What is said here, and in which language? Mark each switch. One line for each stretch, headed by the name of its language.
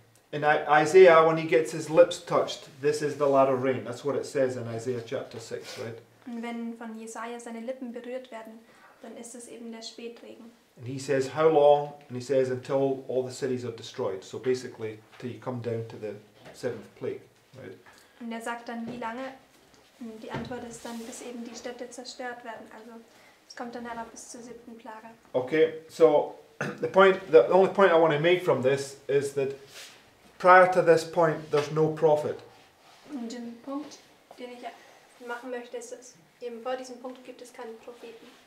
English: In Isaiah, when he gets his lips touched, this is the latter rain. That's what it says in Isaiah chapter 6, right?
German: Und wenn von Jesaja seine Lippen berührt werden, dann ist es eben der Spätregen.
English: And he says, how long? And he says, until all the cities are destroyed. So basically, till you come down to the seventh plague, right?
German: Und sagt dann, wie lange? Die Antwort ist dann, bis eben die Städte zerstört werden. Also es kommt dann herab bis zur siebten Plage.
English: Okay, so the only point I want to make from this is that prior to this point there's no prophet.
German: Und der Punkt, den ich machen möchte, ist, Eben vor diesem Punkt gibt es keine Propheten.